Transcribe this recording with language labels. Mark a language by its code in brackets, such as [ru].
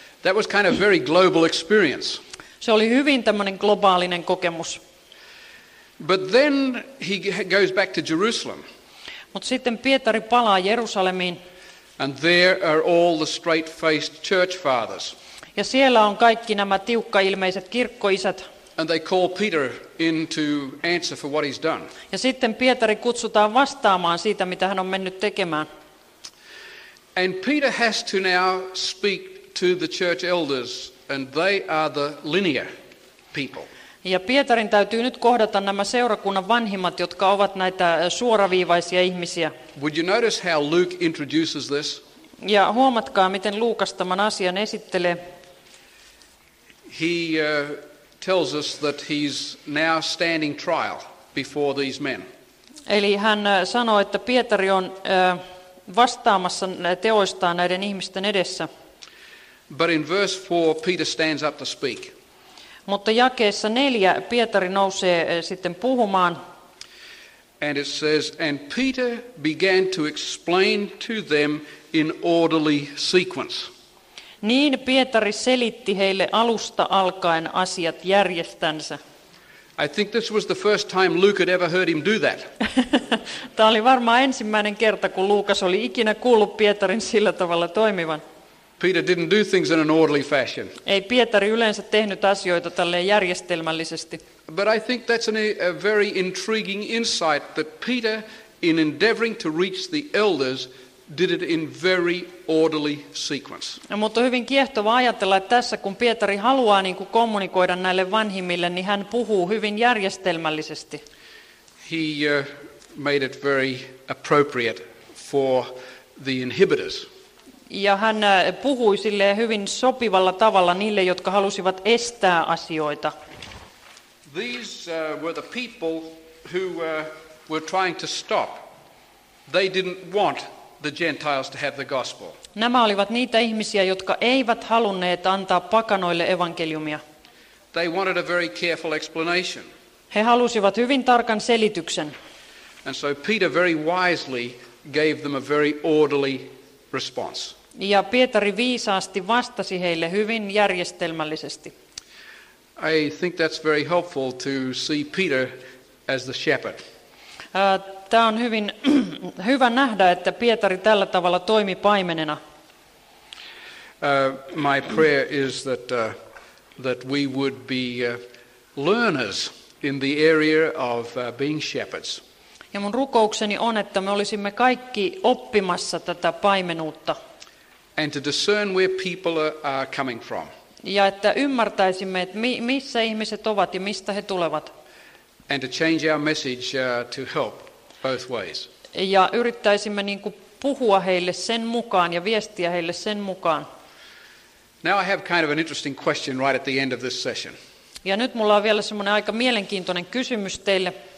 [en] That was kind of very global experience. [fi] Se oli hyvin tämmöinen globaalinen kokemus. [en] But then he goes back to Jerusalem. [fi] Mut sitten Pietari palaa Jerusalemiin. [en] And there are all the straight-faced church fathers. [fi] Ja siellä on kaikki nämä tiukkailmeiset kirkkoisät. [en] And they call Peter in to answer for what he's done. [fi] Ja sitten Pietari kutsutaan vastaamaan siitä, mitä hän on mennyt tekemään. [en] And Peter has to now speak to the church elders, and they are the linear people. [fi] Ja Pietarin täytyy nyt kohdata nämä seurakunnan vanhimmat, jotka ovat näitä suoraviivaisia ihmisiä. [en] Would you notice how Luke introduces this? [fi] Ja huomatkaa, miten Luukas tämän asian esittelee. [en] He tells us that he's now standing trial before these men. [fi] Eli hän sanoo, että Pietari on vastaamassa teoistaan näiden ihmisten edessä. [en] But in verse 4 Peter stands up to speak. [fi] Mutta jakeessa 4 Pietari nousee sitten puhumaan. [en] And it says, and Peter began to explain to them in orderly sequence. [fi] Niin Pietari selitti heille alusta alkaen asiat järjestänsä. [en] I think this was the first time Luke had ever heard him do that. [fi] Tämä oli varmaan ensimmäinen kerta, kun Luukas oli ikinä kuullut Pietarin sillä tavalla toimivan. [en] Peter didn't do things in an orderly fashion. [fi] Ei Pietari yleensä tehnyt asioita tälleen järjestelmällisesti. [en] But I think that's a very intriguing insight that Peter, in endeavoring to reach the elders, did it in very orderly sequence. [fi] No, mutta on hyvin kiehtova ajatella, että tässä kun Pietari haluaa niin kuin kommunikoida näille vanhimmille, niin hän puhuu hyvin järjestelmällisesti. [en] He made it very appropriate for the inhibitors. [fi] Ja hän puhui sille hyvin sopivalla tavalla niille, jotka halusivat estää asioita. [en] These were the people who were trying to stop. They didn't want the Gentiles to have the gospel. [fi] Nämä olivat niitä ihmisiä, jotka eivät halunneet antaa pakanoille evankeliumia. [en] They wanted a very careful explanation. [fi] He halusivat hyvin tarkan selityksen. [en] And so Peter very wisely gave them a very orderly response. [fi] Ja Pietari viisaasti vastasi heille hyvin järjestelmällisesti. [en] I think that's very helpful to see Peter as the shepherd. [fi] Tämä on hyvin hyvä nähdä, että Pietari tällä tavalla toimi paimenena. [en] My prayer is that we would be learners in the area of being shepherds. [fi] Ja mun rukoukseni on, että me olisimme kaikki oppimassa tätä paimenuutta. [en] And to discern where people are coming from. [fi] Ja että ymmärtäisimme, että missä ihmiset ovat ja mistä he tulevat. [en] And to change our message to help both ways. [fi] ja yrittäisimme niin kuin puhua heille sen mukaan ja viestiä heille sen mukaan. [en] Now I have kind of an interesting question right at the end of this session. [fi] Ja nyt mulla on vielä semmoinen aika mielenkiintoinen kysymys teille.